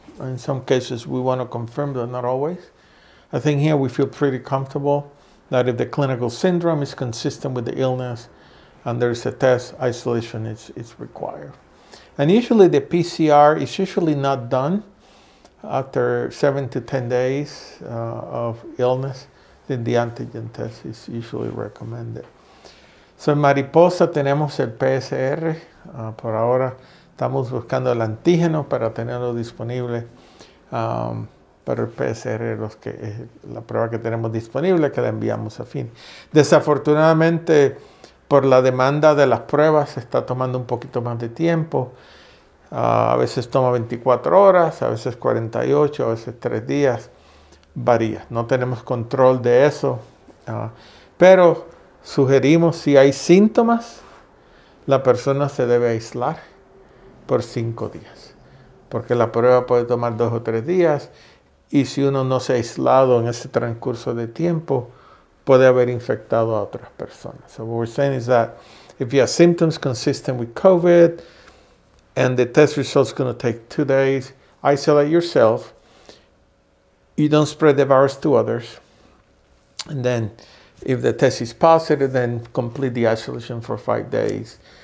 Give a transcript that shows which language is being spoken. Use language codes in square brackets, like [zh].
[en] In some cases, we want to confirm that, not always. I think here we feel pretty comfortable that if the clinical syndrome is consistent with the illness and there is a test, isolation is required. And usually the PCR is usually not done after 7 to 10 days of illness, then the antigen test is usually recommended. [es] So en Mariposa tenemos el PCR. Por ahora estamos buscando el antígeno para tenerlo disponible. Pero el PCR es la prueba que tenemos disponible, que la enviamos a fin. Desafortunadamente, por la demanda de las pruebas, está tomando un poquito más de tiempo. A veces toma 24 horas, a veces 48, a veces 3 días, varía. No tenemos control de eso, pero sugerimos si hay síntomas, la persona se debe aislar por 5 días, porque la prueba puede tomar 2 o 3 días, y si uno no se ha aislado en ese transcurso de tiempo, puede haber infectado a otras personas. [en] So what we're saying is that if you have symptoms consistent with COVID, and the test result is going to take 2 days, isolate yourself. You don't spread the virus to others. And then if the test is positive, then complete the isolation for 5 days.